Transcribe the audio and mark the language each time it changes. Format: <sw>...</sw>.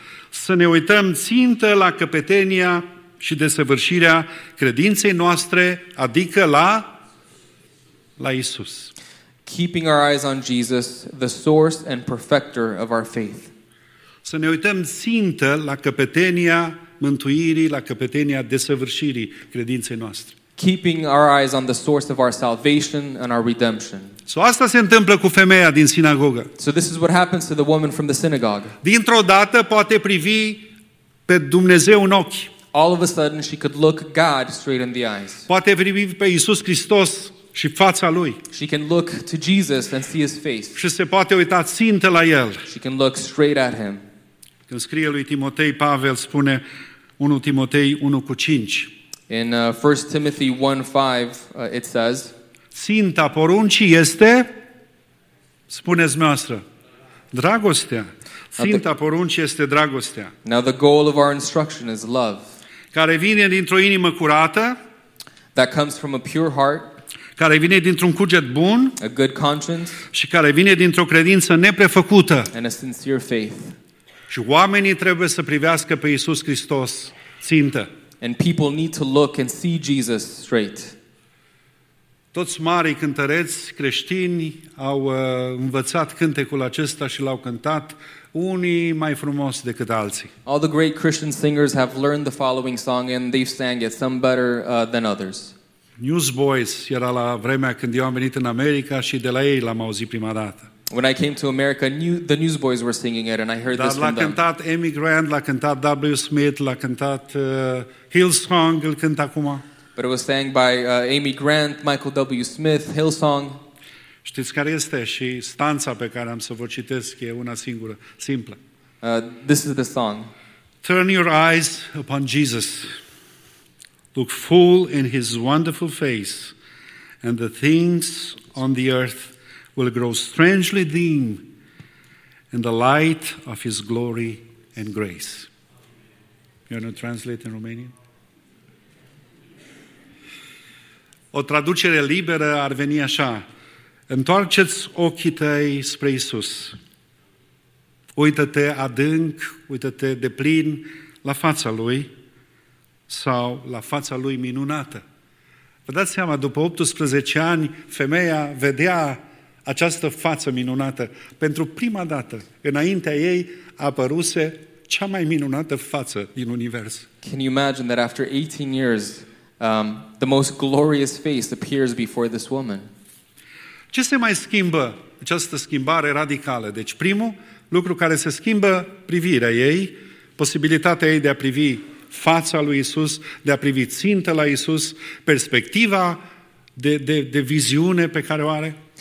<ro>să ne uităm țintă la căpetenia și desăvârșirea credinței noastre, adică la Isus.</ro> <en>Keeping our eyes on Jesus, the source and perfecter of our faith.</en> <ro>Să ne uităm țintă la căpetenia mântuirii, la căpetenia desăvârșirii credinței noastre.</ro> <en>Keeping our eyes on the source of our salvation and our redemption.</en> <ro>So asta se întâmplă cu femeia din sinagogă.</ro> <en>So this is what happens to the woman from the synagogue.</en> <ro>Dintr-o dată poate privi pe Dumnezeu în ochi.</ro> <en>All of a sudden she could look God straight in the eyes.</en> <ro>Poate privi pe Iisus Hristos și fața lui.</ro> <en>She can look to Jesus and see his face.</en> <ro>Și se poate uita țintă la el.</ro> <en>She can look straight at him.</en> <ro>Când scrie lui Timotei, Pavel spune 1 Timotei 1:5.</ro> <en>In 1 Timothy 1:5 it says</en> <ro>ținta poruncii este, spuneți noastră, dragostea. Ținta poruncii este dragostea.</ro> <en>Now the goal of our instruction is love.</en> <ro>Care vine dintr-o inimă curată.</ro> <en>That comes from a pure heart.</en> <ro>Care vine dintr-un cuget bun.</ro> <en>A good conscience.</en> <ro>Și care vine dintr-o credință neprefăcută.</ro> <en>And a sincere faith.</en> <ro>Și oamenii trebuie să privească pe Iisus Hristos țintă.</ro> <en>And people need to look and see Jesus straight.</en> <ro>Toți marii cântăreți creștini au învățat cântecul acesta și l-au cântat unii mai frumos decât alții.</ro> <en>All the great Christian singers have learned the following song and they've sang it, some better than others.</en> <ro>Newsboys era la vremea când eu am venit în America și de la ei l-am auzit prima dată.</ro> <en>When I came to America, the Newsboys were singing it and I heard this from them.</en> <ro>Dar l-a cântat Amy Grant, l-a cântat W. Smith, l-a cântat Hillsong, îl cânt acum.</ro> <en>But it was sang by Amy Grant, Michael W. Smith, Hillsong.</en> <ro>Știți care este și stanța pe care am să vă citesc e una singură, simplă.</ro> <en>This is the song. Turn your eyes upon Jesus. Look full in his wonderful face and the things on the earth will grow strangely dim in the light of his glory and grace. You want to translate in Romanian?</en> <ro>O traducere liberă ar veni așa. Întoarce-ți ochii tăi spre Iisus. Uită-te adânc, uită-te de plin la fața Lui sau la fața Lui minunată. Vă dați seama, după 18 ani, femeia vedea această față minunată. Pentru prima dată, înaintea ei, apăruse cea mai minunată față din univers.</ro> <en>Can you imagine that after 18 years, the most glorious face appears before this woman?</en> <ro>Ce se mai schimbă? Această schimbare radicală. Deci primul lucru care se schimbă, privirea ei, posibilitatea ei de a privi fața lui Iisus, de a privi țintă la Iisus, perspectiva de viziune pe care o are.</ro>